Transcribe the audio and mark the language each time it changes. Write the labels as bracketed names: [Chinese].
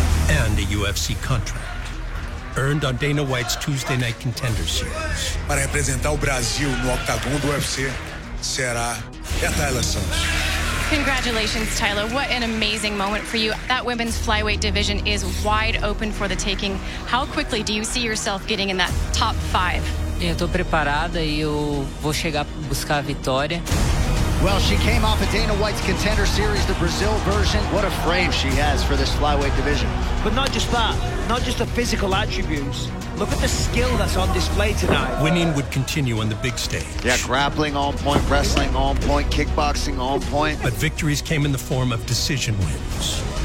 [English] And a UFC contract. Earned on Dana White's Tuesday Night Contender Series. [Portuguese] Para representar o Brasil no octagon do UFC, será a Tylos Santos. [English] Congratulations, Tylos. What an amazing moment for you. That women's flyweight division is wide open for the taking. How quickly do you see yourself getting in that top five? [Portuguese] Eu estou preparada e eu vou chegar buscar a vitória. [English] Well, she came off of Dana White's Contender Series, the Brazil version. What a frame she has for this flyweight division. But not just that, not just the physical attributes. Look at the skill that's on display tonight. Winning would continue on the big stage. Yeah, grappling on point, wrestling on point, kickboxing on point. But victories came in the form of decision wins.